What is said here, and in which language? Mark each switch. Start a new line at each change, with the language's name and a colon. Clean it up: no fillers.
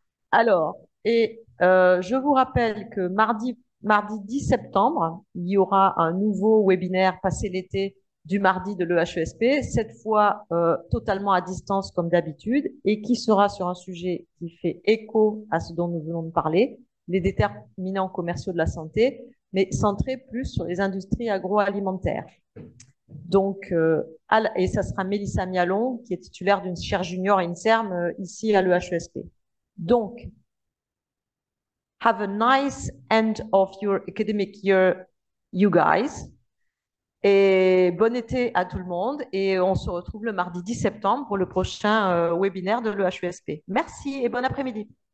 French: Alors, et je vous rappelle que mardi 10 septembre, il y aura un nouveau webinaire passé l'été du mardi de l'EHESP, cette fois totalement à distance comme d'habitude, et qui sera sur un sujet qui fait écho à ce dont nous venons de parler. Les déterminants commerciaux de la santé, mais centré plus sur les industries agroalimentaires. Donc, et ça sera Mélissa Mialon, qui est titulaire d'une chaire junior à INSERM, ici à l'EHESP.
English: Donc, have a nice end of your academic year, you guys.
French: Et bon été à tout le monde. Et on se retrouve le mardi 10 septembre pour le prochain webinaire de l'EHESP. Merci et bon après-midi.